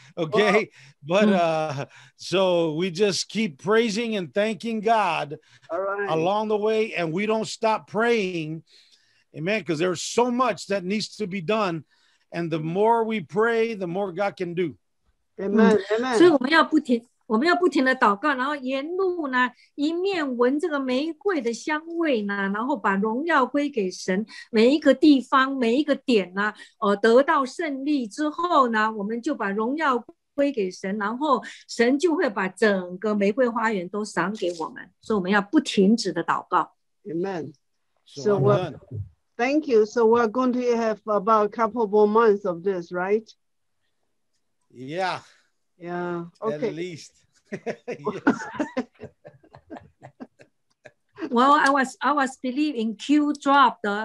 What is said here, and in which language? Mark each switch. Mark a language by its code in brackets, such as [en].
[en] Okay, so we just keep praising and thanking God along the way, and we don't stop praying, amen. Because there's so much that needs to be done. And the more we pray, the more God can do. Amen. [zh] 所以我们要不停，我们要不停的祷告，然后沿路呢，一面闻这个玫瑰的香味呢，然后把荣耀归给神。每一个地方，每一个点呢，得到胜利之后呢，我们就把荣耀归给神，然后神就会把整个玫瑰花园都赏给我们。所以我们要不停止的祷告。 [en] Amen. So what? Thank you. So we're going to have about a couple more months of this, right? Yeah. Yeah. Okay. At least. Well, I was believing Q dropped.